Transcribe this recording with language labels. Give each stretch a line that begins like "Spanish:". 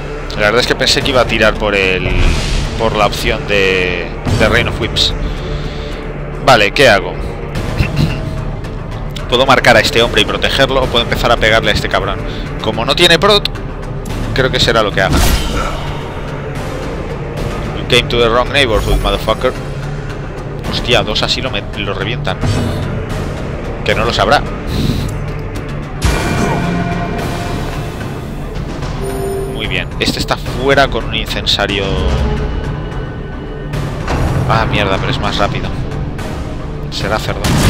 Spanish: La verdad es que pensé que iba a tirar por el... por la opción de Reign of Whips. Vale, ¿qué hago? Puedo marcar a este hombre y protegerlo, o puedo empezar a pegarle a este cabrón. Como no tiene prot, creo que será lo que haga.
English: Came to the wrong neighborhood, motherfucker.
Spanish: Hostia, dos así lo revientan. Que no lo sabrá. Muy bien. Este está fuera con un incensario. Ah, mierda, pero es más rápido. Será cerdo.